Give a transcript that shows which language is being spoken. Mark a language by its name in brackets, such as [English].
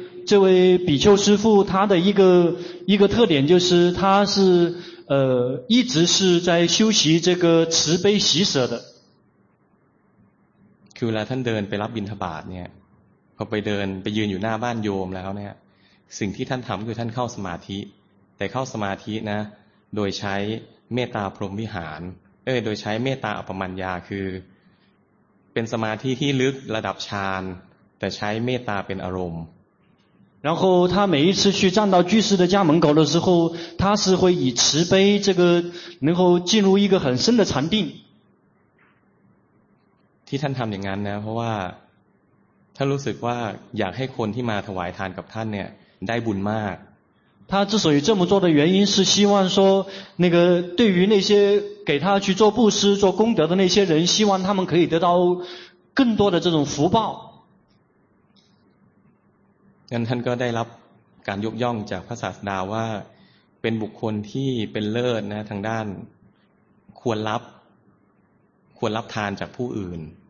[Chinese] 这位比丘师父他的一个特点就是他是一直是在修习这个慈悲喜舍的 [Thai] คือเวลาท่านเดินไปรับบิณฑบาตเนี่ยพอไปเดินไปยืนอยู่หน้าบ้านโยมแล้วเนี่ยสิ่งที่ท่านทําคือท่านเข้าสมาธิแต่เข้าสมาธินะโดยใช้เมตตาพรหมวิหารโดยใช้เมตตาอัปปมัญญาคือเป็นสมาธิที่ลึกระดับฌานแต่ใช้เมตตาเป็นอารมณ์ [Chinese] 然后他每一次去站到居士的家门口的时候他是会以慈悲这个能够进入一个很深的禅定 [Thai] ที่ท่านทำอย่างนั้นนะเพราะว่าท่านรู้สึกว่าอยากให้คนที่มาถวายทานกับท่านเนี่ยได้บุญมาก [Chinese] 他之所以这么做的原因是希望说那个对于那些给他去做布施做功德的那些人希望他们可以得到更多的这种福报。 [Thai] ท่านก็ได้รับการยกย่องจากพระศาสดาว่าเป็นบุคคลที่เป็นเลิศนะทางด้านควรรับทานจากผู้อื่น